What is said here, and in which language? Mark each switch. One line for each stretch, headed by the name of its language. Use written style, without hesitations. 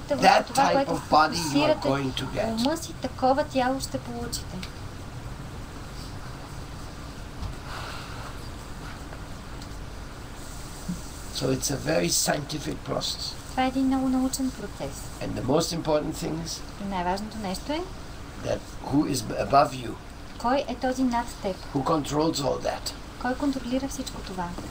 English: That type of body you are going to get.
Bulgarian: Ума си, такова тяло ще получите.
English: So it's a very scientific process.
Bulgarian: Това е един много научен процес.
English: And the most important thing is.
Bulgarian: Най-важното нещо е.
English: That who is above you?
Bulgarian: Кой е този над теб?
English: Who controls all that?
Bulgarian: Кой контролира всичко това?